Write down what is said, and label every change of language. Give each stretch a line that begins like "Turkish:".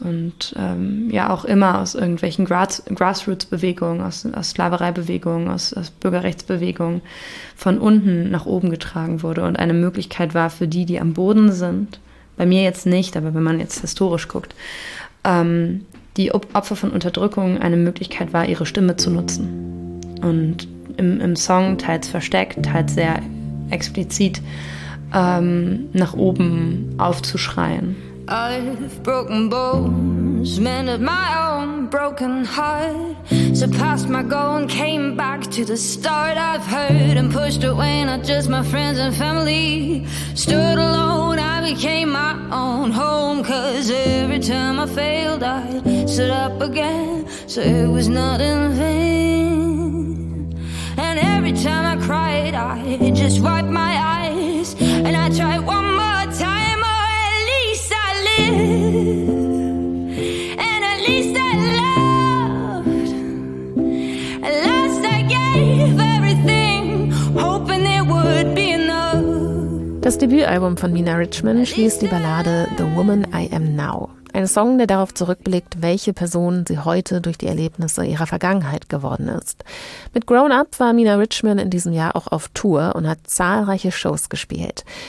German: Und ja auch immer aus irgendwelchen Grassroots-Bewegungen, aus Sklavereibewegungen, aus Bürgerrechtsbewegungen von unten nach oben getragen wurde und eine Möglichkeit war für die, die am Boden sind, bei mir jetzt nicht, aber wenn man jetzt historisch guckt, die Opfer von Unterdrückung eine Möglichkeit war, ihre Stimme zu nutzen. Und im Song teils versteckt, teils sehr explizit nach oben aufzuschreien.
English: I've broken bones, mended my own broken heart, surpassed my goal and came back to the start. I've hurt and pushed away, not just my friends and family. Stood alone, I became my own home, cause every time I failed, I stood up again, so it was not in vain. And every time I cried, I just wiped my eyes, and I tried one more time, or at least I lived, and at least I loved. At last I gave everything, hoping it would be enough.
German: Das Debütalbum von Mina Richmond schließt die Ballade The Woman I Am Now. Ein Song, der darauf zurückblickt, welche Person sie heute durch die Erlebnisse ihrer Vergangenheit geworden ist. Mit Grown Up war Mina Richmond in diesem Jahr auch auf Tour und hat zahlreiche Shows gespielt.